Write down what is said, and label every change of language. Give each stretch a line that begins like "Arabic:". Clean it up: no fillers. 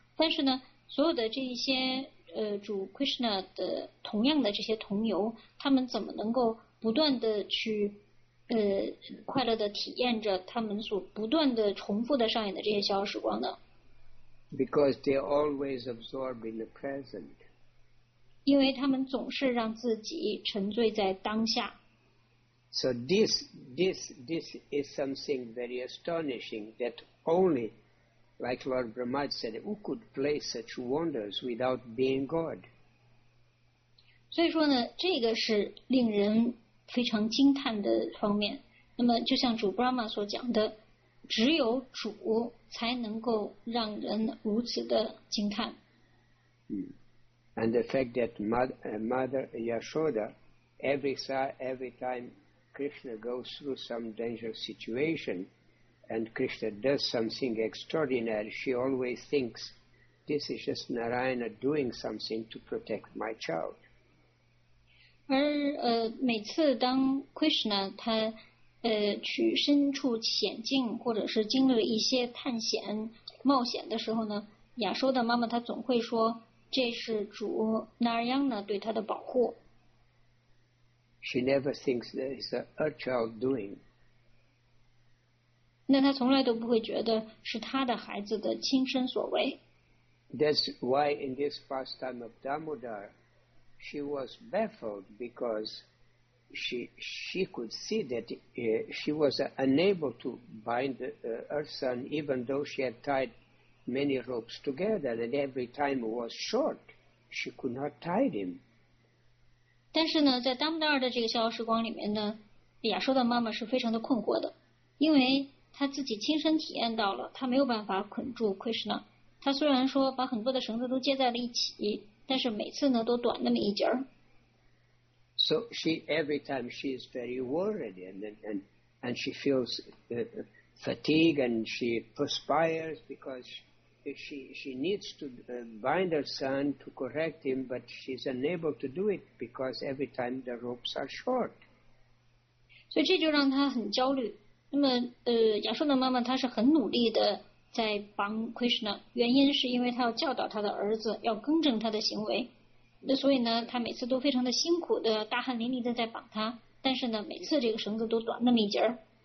Chinese: 但是呢，所有的这一些主 Krishna 的同样的这些同游，他们怎么能够不断的去快乐的体验着他们所不断的重复的上演的这些逍遥时光呢？
English: Because they always absorb in the present.
Chinese: 因为他们总是让自己沉醉在当下。
English: So this is something very astonishing that only, like Lord Brahma said, who could play such wonders without being God?
Chinese: 所以说呢，这个是令人非常惊叹的方面。那么就像主 Brahma 所讲的，只有主才能够让人如此的惊叹。
English: And the fact that Mother Yashoda every timeKrishna goes through some dangerous situation and Krishna does something extraordinary. She always thinks, this is just Narayana doing something to protect my child.
Chinese: 而每次当 Krishna 他去身处险境或者是经历一些探险冒险的时候呢，亚修的妈妈她总会说，这是主 Narayana 对他的保护。
English: She never thinks that it's her child doing.
Chinese: 那她从来都不会觉得是她的孩子的亲身所为。
English: That's why in this pastime of Damodar, she was baffled because she could see that she was unable to bind her son, even though she had tied many ropes together, and every time was short, she could not tie him.
Chinese: 但是呢，在达摩达尔的这个逍遥时光里面呢，亚修的妈妈是非常的困惑的，因为她自己亲身体验到了，她没有办法捆住 Krishna。她虽然说把很多的绳子都接在了一起，但是每次呢都短那么一截儿。
English: So she every time she is very worried and she feels fatigue and she perspires because She needs to bind her son to correct him, but she's unable to do it because every time the ropes are short.
Chinese: 所以这就让她很焦虑。那么亚修的妈妈她是很努力的在帮 Krishna， 原因是因为她要教导她的儿子要更正他的行为。那所以呢，她每次都非常的辛苦的大汗淋漓的在绑他，但是呢，每次这个绳子都短那么一截儿。